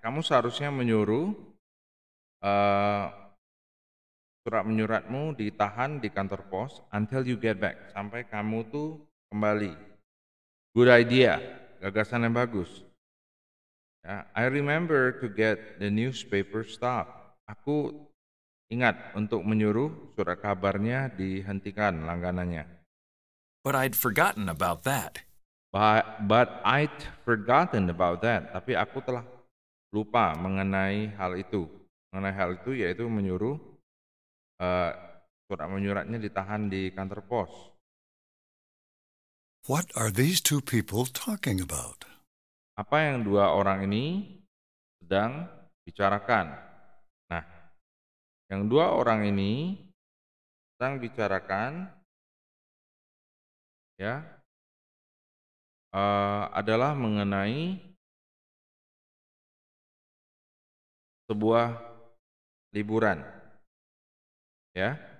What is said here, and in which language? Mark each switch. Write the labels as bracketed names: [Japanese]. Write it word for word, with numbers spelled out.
[Indonesian] Kamu seharusnya menyuruh eh, surat menyuratmu ditahan di kantor pos [English] until you get back, [Indonesian] sampai kamu tuh kembali. [English] Good idea, [Indonesian] gagasan yang bagus. [English] Ya, I remember to get the newspaper stopped. [Indonesian] Aku ingat untuk menyuruh surat kabarnya dihentikan langganannya. [English] But I'd forgotten about that. But, but I'd forgotten about that. [Indonesian] Tapi aku telah lupa mengenai hal itu. Mengenai hal itu yaitu menyuruh eh, surat menyuratnya ditahan di kantor pos. [English] What are these two people talking about? [Indonesian] Apa yang dua orang ini sedang bicarakan? Nah, yang dua orang ini sedang bicarakan ya eh, adalah mengenai sebuah liburan. Ya.